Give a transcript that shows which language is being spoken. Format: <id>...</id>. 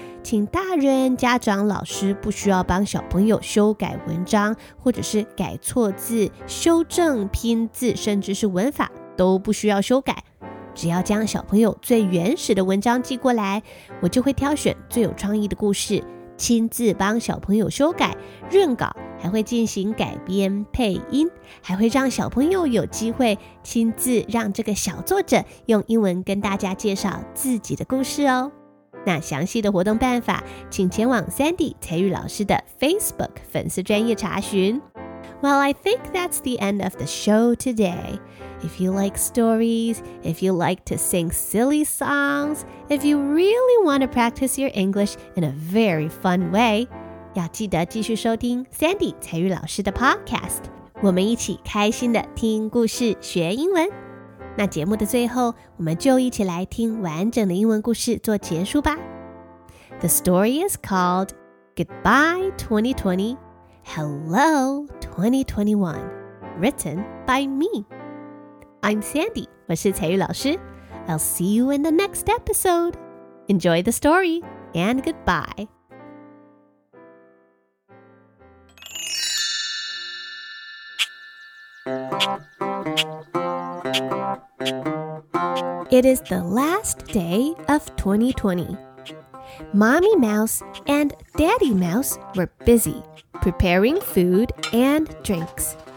<zh>请大人、家长、老师不需要帮小朋友修改文章，或者是改错字、修正拼字，甚至是文法都不需要修改，只要将小朋友最原始的文章寄过来，我就会挑选最有创意的故事，亲自帮小朋友修改、润稿，还会进行改编、配音，还会让小朋友有机会亲自让这个小作者用英文跟大家介绍自己的故事哦。那详细的活动办法请前往 Sandy 彩玉老师的 Facebook 粉丝专页查询。</zh> <en>Well, I think that's the end of the show today. If you like stories, if you like to sing silly songs, if you really want to practice your English in a very fun way,</en> <zh>要记得继续收听 Sandy 彩玉老师的 podcast, 我们一起开心的听故事学英文。那节目的最后，我们就一起来听完整的英文故事做结束吧。</zh> <en>The story is called Goodbye 2020, Hello 2021. written by me. I'm Sandy,</en> <zh>我是彩玉老师。</zh> <en>I'll see you in the next episode. Enjoy the story and goodbye. It is the last day of 2020. Mommy Mouse and Daddy Mouse were busy preparing food and drinks.</en>